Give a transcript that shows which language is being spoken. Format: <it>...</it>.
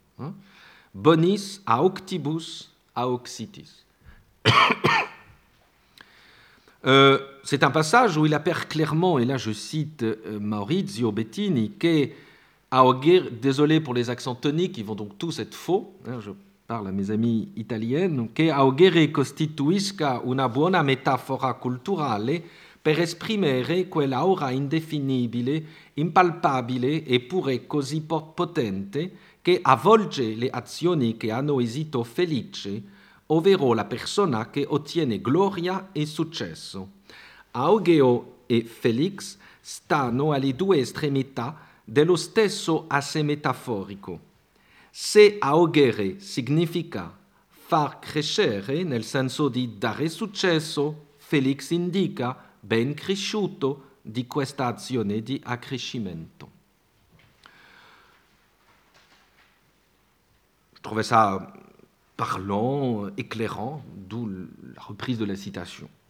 <la>Hein, bonis auctibus auxitis.</la> <fr>C'est un passage où il appert clairement, et là je cite Maurizio Bettini, qui est auger, désolé pour les accents toniques, ils vont donc tous être faux. Hein, parle à mes amis italiennes,</fr> <it>que augere costituisca una buona metafora culturale per esprimere quell'aura indefinibile, impalpabile e pure così potente che avvolge le azioni che hanno esito felice, ovvero la persona che ottiene gloria e successo. Augeo e Felix stanno alle due estremità dello stesso asse metaforico. Se augere significa far crescere, nel senso di dare successo, Felix indica ben cresciuto di questa azione di accrescimento.</it> <fr>Je trouvais ça parlant, éclairant, d'où la reprise de la citation.</fr>